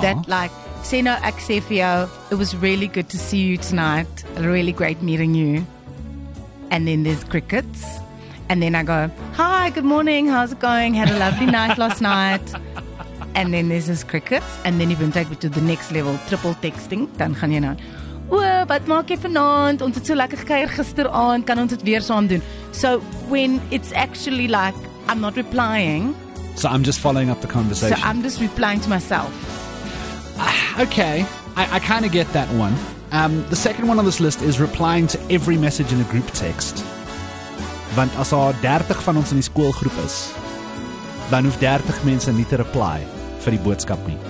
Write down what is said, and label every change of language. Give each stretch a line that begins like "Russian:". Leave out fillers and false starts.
English: That like, Seno Aksefio, it was really good to see you tonight. Really great meeting you. And then there's crickets. And then I go, hi, good morning, how's it going? Had a lovely night last night. And then there's this crickets. And then you can take me to the next level, triple texting.
Afrikaans: Dan gaan jy nou, woe, wat maak jy vanavond? Ons het so lekker gekeer gisteraan, kan ons het weer saam doen?
English: So when it's actually like, I'm not replying. So I'm just following up the conversation. So I'm just replying to myself. Okay, I kind of get that one. The second one on this list is replying to every message in a group text.
Afrikaans: Want as al 30 van ons in die skoolgroep is, dan hoef 30 mense nie te reply vir die boodskap nie.